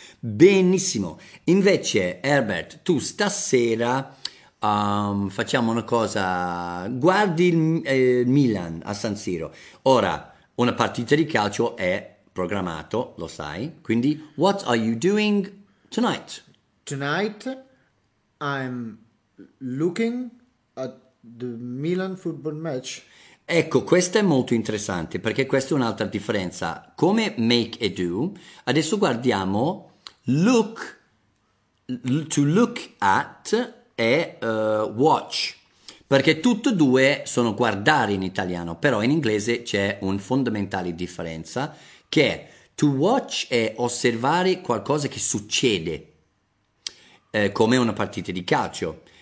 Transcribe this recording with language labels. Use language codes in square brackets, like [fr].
[it] Benissimo, invece Herbert, tu stasera facciamo una cosa, guardi il Milan a San Siro. Ora, una partita di calcio è programmato, lo sai, quindi [en] what are you doing tonight? Tonight I'm... looking at the Milan football match. [it] Ecco, questo è molto interessante, perché questa è un'altra differenza. Come make e do, adesso guardiamo look. To look at è watch, perché tutte e due sono guardare in italiano, però in inglese c'è un fondamentale differenza, che è to watch è osservare qualcosa che succede, come una partita di calcio.